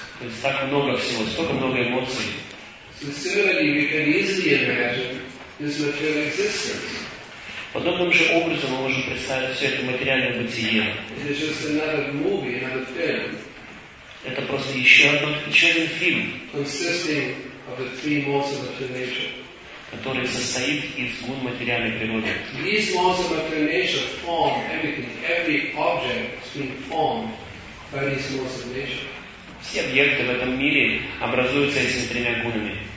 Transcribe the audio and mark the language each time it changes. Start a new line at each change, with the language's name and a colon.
Russian: То есть так много всего, столько много эмоций.
English: So similarly, we can easily imagine this material existence.
Russian: Подобным же образом мы можем представить все это материальное бытие.
English: It is just another movie, another film.
Russian: Это просто еще один фильм,
English: consisting of the three modes of material nature,
Russian: который состоит из двух материальной природы.
English: These modes of material nature form everything. Every object is being formed by these modes of nature.
Russian: Все объекты в этом мире образуются этими тремя гунами.